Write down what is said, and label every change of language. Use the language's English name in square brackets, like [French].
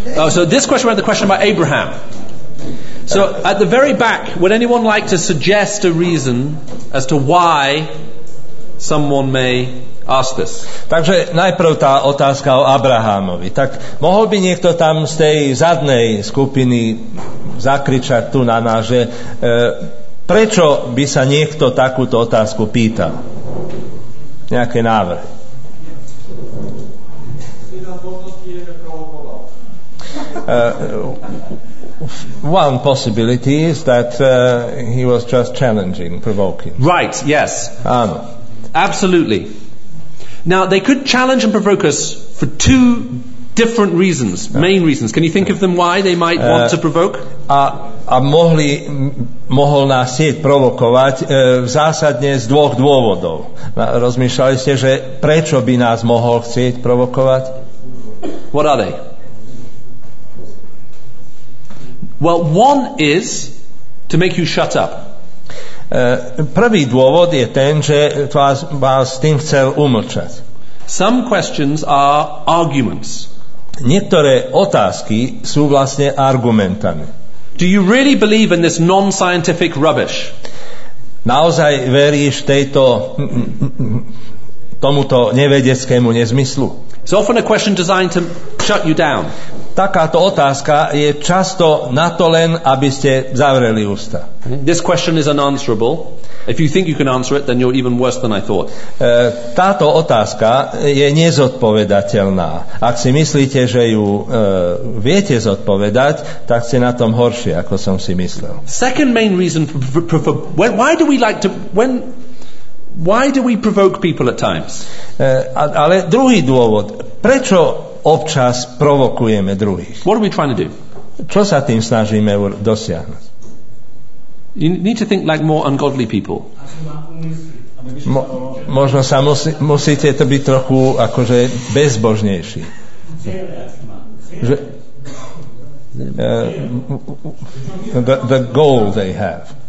[English] So this question was the question about Abraham. So at the very back, would anyone like to suggest a reason as to why someone may ask this? [Slovak] Takže najprv tá otázka o Abrahamovi. Tak mohol by niekto tam z tej zadnej skupiny zakričať tu na nás, že prečo by sa niekto takúto otázku pýtal? Nejaké návrhy? [English] One possibility is that he was just challenging, provoking. Right, yes. [Slovak] Áno. [English] Absolutely. Now, they could challenge and provoke us for two different reasons, main reasons. Can you think of them why they might want to provoke? [Slovak] Mohol nás sieť provokovať v zásadne z dvoch dôvodov. Rozmýšľali ste, že prečo by nás mohol chcieť provokovať? [English] What are they? Well, one is to make you shut up. [Slovak] Prvý dôvod je ten, že vás s tým chcel umlčať. [English] Some questions are arguments. [Slovak] Niektoré otázky sú vlastne argumentami. [English] Do you really believe in this non-scientific rubbish? [Slovak] Naozaj veríš tejto tomuto nevedeckému nezmyslu? [English] It's often a question designed to shut you down. [Slovak] Takáto otázka je často na to len, aby ste zavreli ústa. [English] This question is unanswerable. If you think you can answer it, then you're even worse than I thought. [Slovak] Táto otázka je nezodpovedateľná. Ak si myslíte, že ju viete zodpovedať, tak ste na tom horšie, ako som si myslel. [English] Second main reason for why do we provoke people at times? [Slovak] Ale druhý dôvod, prečo občas provokujeme druhých? [English] What are we trying to do? [Slovak] Čo sa tým snažíme dosiahnuť? [English] You need to think like more ungodly people. [Slovak] Možno sa musíte to byť trochu akože bezbožnejší. [English] The goal they have.